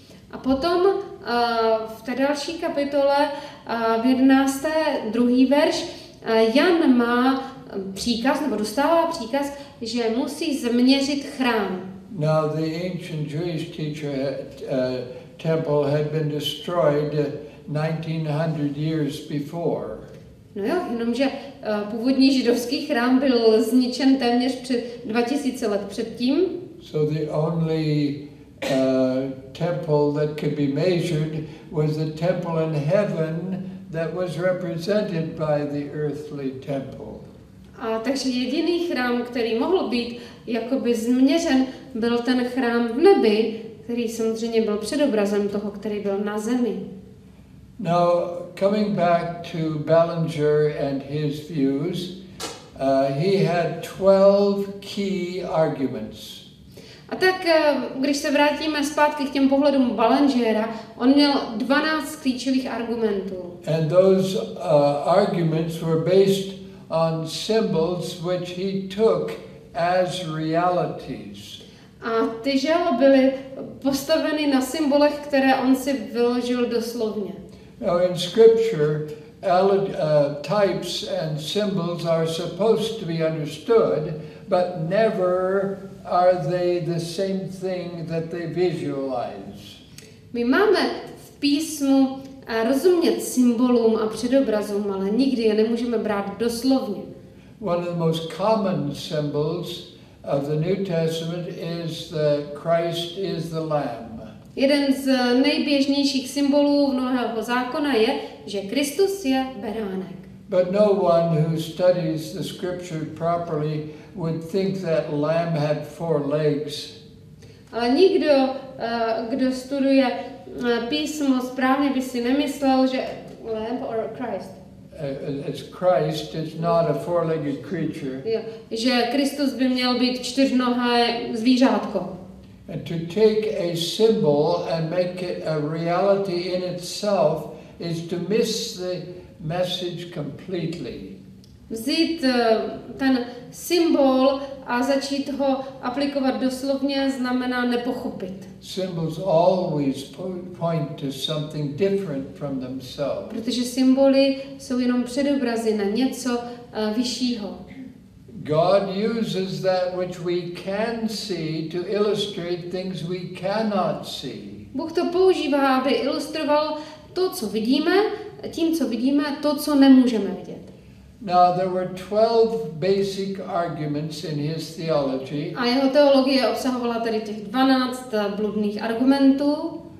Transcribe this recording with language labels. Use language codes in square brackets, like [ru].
[cs] A potom v té další kapitole, v 11. druhý verš, Jan má příkaz, nebo dostává příkaz, že musí změřit chrám. [en] Now the ancient Jewish teacher temple had been destroyed 1900 years before. [cs] No jo, jenomže původní židovský chrám byl zničen téměř před 2000 let předtím. [en] So the only temple that could be measured was the temple in heaven that was represented by the earthly temple. [cs] A takže jediný chrám, který mohl být jakoby změřen, byl ten chrám v nebi, který samozřejmě byl předobrazem toho, který byl na zemi. [en] Now, coming back to Ballinger and his views, he had 12 key arguments. [cs] A tak, když se vrátíme zpátky k těm pohledům Ballingera, on měl 12 klíčových argumentů. [en] And those arguments were based on symbols which he took as realities. [cs] A ty žaloby byly postaveny na symbolech, které on si vyložil doslovně. [en] Now in scripture, types and symbols are supposed to be understood, but never are they the same thing that they visualize. [cs] My máme v písmu rozumět symbolům a předobrazům, ale nikdy je nemůžeme brát doslovně. [en] One of the most common symbols of the New Testament is that Christ is the Lamb. [cs] Jeden z nejběžnějších symbolů Nového zákona je, že Kristus je beránek. [en] But no one who studies the scripture properly would think that lamb had four legs. [cs] Ale nikdo, kdo studuje písmo správně, by si nemyslel, že [en] lamb or Christ. It's Christ, it's not a four-legged creature. [cs] Že Kristus by měl být čtyřnohé zvířátko. [en] And to take a symbol and make it a reality in itself is to miss the message completely. [cs] Vzít ten symbol a začít ho aplikovat doslovně znamená nepochopit. [en] Symbols always point to something different from themselves. [cs] Protože symboly jsou jenom předobrazy na něco vyššího. [en] God uses that which we can see to illustrate things we cannot see. [cs] Bůh to používá, aby ilustroval to, co vidíme, tím, co vidíme, to, co nemůžeme vidět. [en] Now there were 12 basic arguments in his theology. [cs] A jeho teologie obsahovala tady těch 12 bludných argumentů.